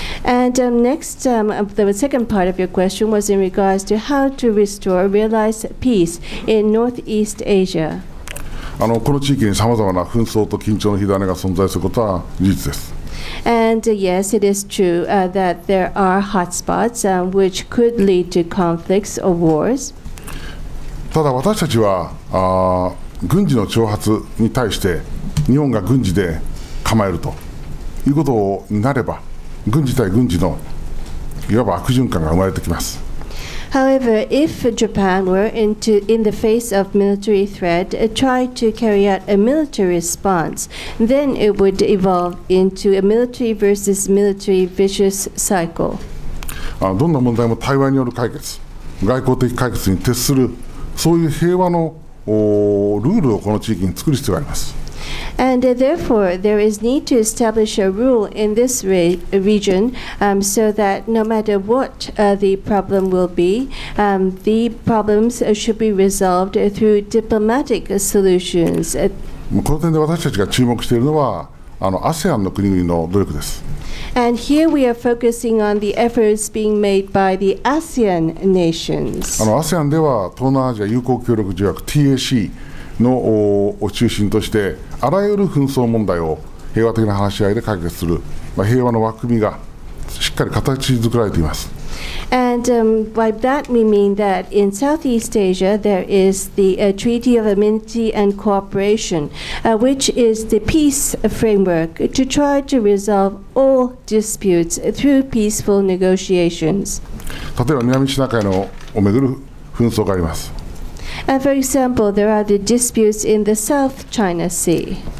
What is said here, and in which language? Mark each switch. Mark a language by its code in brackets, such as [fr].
[en] And next, the second part of your question was in regards to how to restore realized peace in Northeast Asia. [ja] この地域にさまざまな紛争と緊張の火種が存在することは事実です。 [en] And yes, it is true that there are hotspots which could lead to conflicts or wars. [ja] ただ私たちは軍事の挑発に対して日本が軍事で構えるということになれば、軍事対軍事のいわば悪循環が生まれてきます。 [en] However, if Japan were in the face of military threat, try to carry out a military response, then it would evolve into a military versus military vicious cycle. [ja] どんな問題も対話による解決、外交的解決に徹する、そういう平和のルールをこの地域に作る必要があります。 [en] And therefore, there is need to establish a rule in this region so that no matter what the problem will be, the problems should be resolved through diplomatic solutions. [ja] この点で私たちが注目しているのは、ASEAN の国々の努力です。 [en] And here we are focusing on the efforts being made by the ASEAN nations. [ja] ASEAN では東南アジア友好協力条約 TACのを中心としてあらゆる紛争問題を平和的な話し合いで解決する、平和の枠組みがしっかり形作られています。 [en] And by that we mean that in Southeast Asia there is the Treaty of Amity and Cooperation which is the peace framework to try to resolve all disputes through peaceful negotiations. [ja] 例えば南シナ海のをめぐる紛争があります。 [en] For example, there are the disputes in the South China Sea.